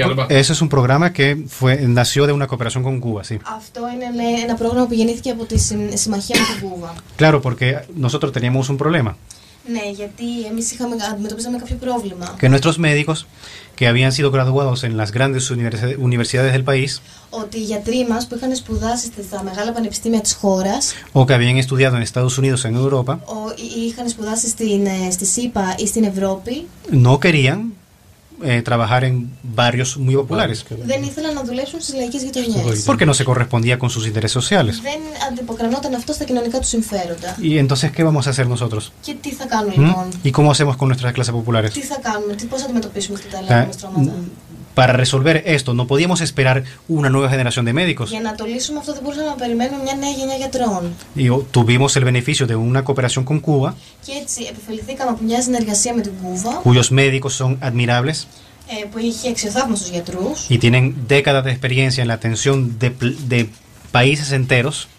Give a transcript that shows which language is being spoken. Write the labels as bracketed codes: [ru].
[es] Ese es un programa que nació de una cooperación con Cuba, sí. [el] Αυτό είναι ένα πρόγραμμα που γεννήθηκε από τη συμμαχία με την Κούβα. [es] Claro, porque nosotros teníamos un problema. [el] Ναι, γιατί εμείς αντιμετωπίζαμε κάποιο πρόβλημα. [es] Que nuestros médicos, que habían sido graduados en las grandes universidades del país. [el] Ότι οι γιατροί μας που είχαν σπουδάσει στα μεγάλα πανεπιστήμια της χώρας. [es] O que habían estudiado en Estados Unidos, en Europa. [el] Ή είχαν σπουδάσει στη ΣΥΠΑ ή στην Ευρώπη. [es] No querían trabajar en barrios muy populares. [el] Δεν ήθελαν να δουλέψουν στις λαϊκές γειτονιές. [es] Porque no se correspondía con sus intereses sociales. [el] Δεν αντιποκρανόταν αυτό στα κοινωνικά τους συμφέροντα. [es] Y entonces, ¿qué vamos a hacer nosotros? [el] Και τι θα κάνουμε λοιπόν? [es] ¿Y cómo hacemos con nuestras clases populares? [el] Τι θα κάνουμε, πώς αντιμετωπίσουμε αυτά τα λαϊκά μας τραύματα? [es] Para resolver esto, no podíamos esperar una nueva generación de médicos. [el] Για να το λύσουμε αυτό, δεν μπορούσαμε να περιμένουμε μια νέα γενιά γιατρών. [es] Y tuvimos el beneficio de una cooperación con Cuba. [el] Και έτσι επωφεληθήκαμε από μια συνεργασία με την Κούβα. [es] Cuyos médicos son admirables. [el] Που είχε αξιοθαύμαστους γιατρούς. [es] Y tienen décadas de experiencia en la atención de países enteros.